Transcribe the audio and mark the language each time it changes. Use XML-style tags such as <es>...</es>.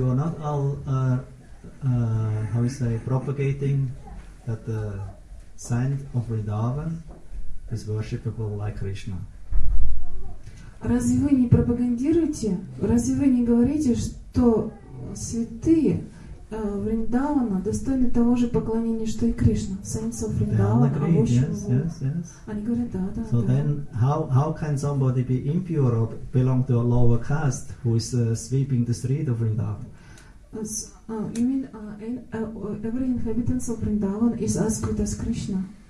<en>Do you not all propagating that the saint of Vrindavan is worshipable like Krishna?</en> <ru>Разве вы не пропагандируете, разве вы не говорите, что святые Вриндавана достойны того же поклонения, что и Кришна?</ru> <en>Saints of Vrindavan, yes.</en> <ru>Они говорят, да.</ru> <en>So then, how can somebody be impure or belong to a lower caste who is sweeping the street of Vrindavan? Every inhabitant of Vrindavan is as good as Krishna.</en>